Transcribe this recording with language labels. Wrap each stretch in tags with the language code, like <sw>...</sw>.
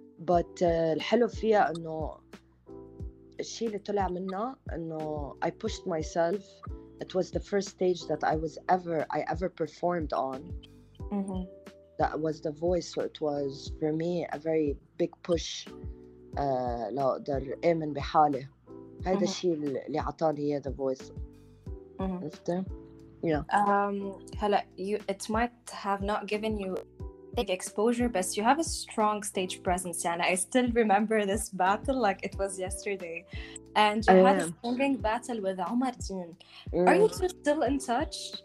<en>But</en> <ar>الحلو فيها أنه الشيء اللي طلع منه أنه</ar> <en>I pushed myself. It was the first stage that I ever performed on. Mm-hmm. That was the voice, so it was for me a very big push.</en> <ar>لأقدر آمن بحالي. هذا الشيء اللي عطاني إياه the voice. عرفتي؟ Mm-hmm. Yeah. هلا,</ar> <en>it might have not given you big exposure, but you have a strong stage presence. And I still remember this battle like it was yesterday. And you had a singing battle with Omar Jin. Mm. Are you two still in touch?</en>